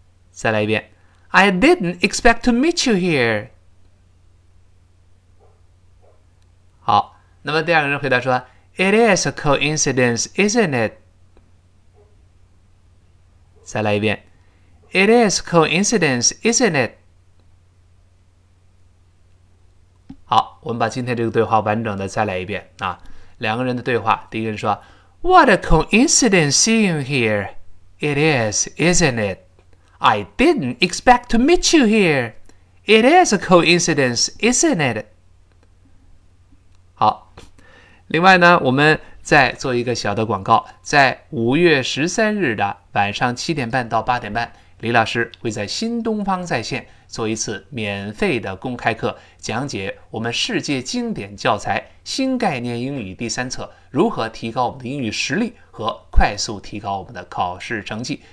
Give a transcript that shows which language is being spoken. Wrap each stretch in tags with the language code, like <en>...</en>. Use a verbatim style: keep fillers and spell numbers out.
<zh>再来一遍</zh> <en>I didn't expect to meet you here。</en> <zh>好，那么第二个人回答说</zh> <en>It is a coincidence, isn't it？</en> <zh>再来一遍</zh> <en>It is coincidence, isn't it？</en> <zh>好，我们把今天这个对话完整的再来一遍啊。</zh> <en>两个人的对话，第一个人说 What a coincidence seeing you here. It is, isn't it？ I didn't expect to meet you here. It is a coincidence, isn't it?</en> <zh>好，另外呢，我们再做一个小的广告，在五月十三日的晚上七点半到八点半，李老师会在新东方在线做一次免费的公开课，讲解我们世界经典教材《新概念英语》第三册如何提高我们的英语实力和快速提高我们的考试成绩。</zh>